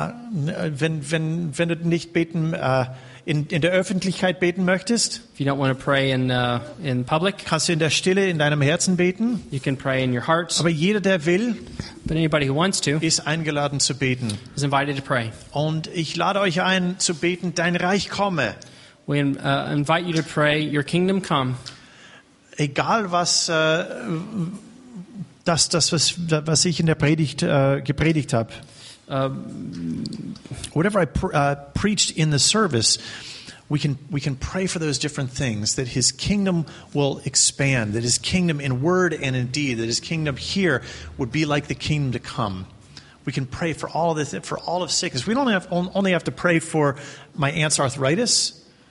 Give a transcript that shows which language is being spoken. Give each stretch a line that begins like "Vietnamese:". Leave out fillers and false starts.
German: Wenn du nicht beten in der Öffentlichkeit beten möchtest,
English: if you don't want to pray in public,
German: kannst du in der Stille in deinem Herzen beten.
English: You can pray in your heart.
German: Aber jeder, der will,
English: but anybody who wants to,
German: ist eingeladen zu beten.
English: Is invited to pray.
German: Und ich lade euch ein zu beten, dein Reich komme.
English: We invite you to pray, your kingdom come.
German: Egal was was ich in der Predigt gepredigt habe.
English: Whatever I preached in the service, we can pray for those different things, that his kingdom will expand, that his kingdom in word and in deed, that his kingdom here would be like the kingdom to come. We can pray for all of this, for all of sickness. We don't only have to pray for my aunt's arthritis.